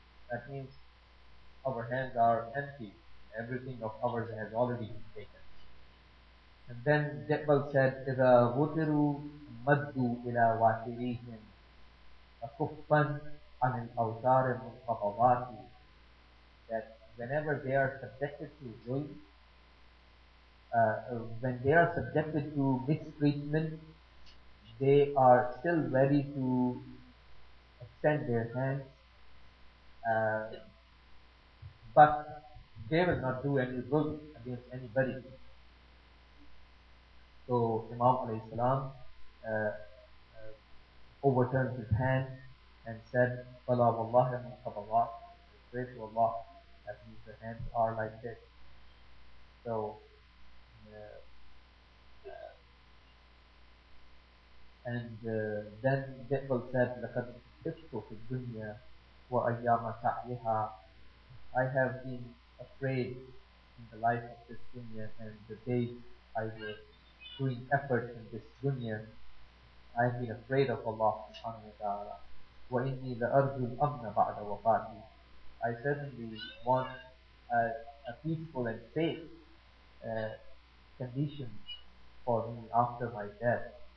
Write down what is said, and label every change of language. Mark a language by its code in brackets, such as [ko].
[en] That means our hands are empty. Everything of ours has already been taken. And then Jabal said, [ar] إِذَا غُتِرُوا مَدُّوا إِلَىٰ وَاتِرِيهِمْ أَكُفَّنْ عَنِ الْأَوْتَارِ مُقَفَوَاتِ. [en] That whenever they are subjected to zulm, when they are subjected to mistreatment, they are still ready to extend their hands, but they will not do any good against anybody. So Imam alayhi salam overturned his hand and said, [ar] "Fala wallahi muqabbalah." [en] Pray to Allah that means the hands are like this. So then Jabal said, [ar] لَقَدْ خِفْتُ فِي الدُّنْيَا وَأَيَّامَ سَعْيِهَا. [en] I have been afraid in the life of this dunya and the days I was doing effort in this dunya. I have been afraid of Allah subhanahu wa ta'ala. [ar] وَإِنِّي لَأَرْجُ الْأَمْنَ بَعْدَ وَفَاتِي. [en] I certainly want a peaceful and safe condition for me after my death.